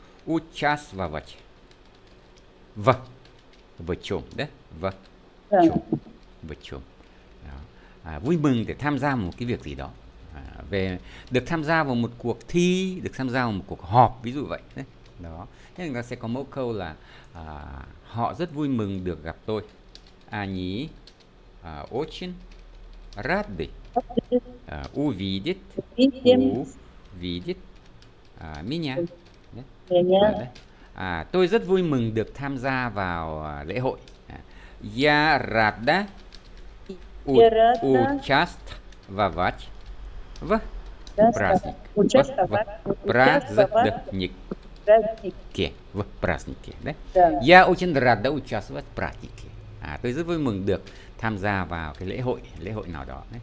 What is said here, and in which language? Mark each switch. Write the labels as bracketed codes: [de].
[vi] uchas và vật, vật, vật chủng đấy, vật chủng, vật chủng, vui mừng để tham gia một cái việc gì đó. Về được tham gia vào một cuộc thi, được tham gia vào một cuộc họp, ví dụ vậy đấy. Đó. Thế người ta sẽ có mẫu câu là họ rất vui mừng được gặp tôi. [ru] Они очень рады увидеть увидеть меня. [vi] Và đấy. Tôi rất vui mừng được tham gia vào lễ hội. [ru] Я рада участвовать в праздник. В праздник. В празднике. [vi] Đấy. [ru] Я очень рад участвовать в празднике. [vi] Tôi rất vui mừng được tham gia vào cái lễ hội nào đó.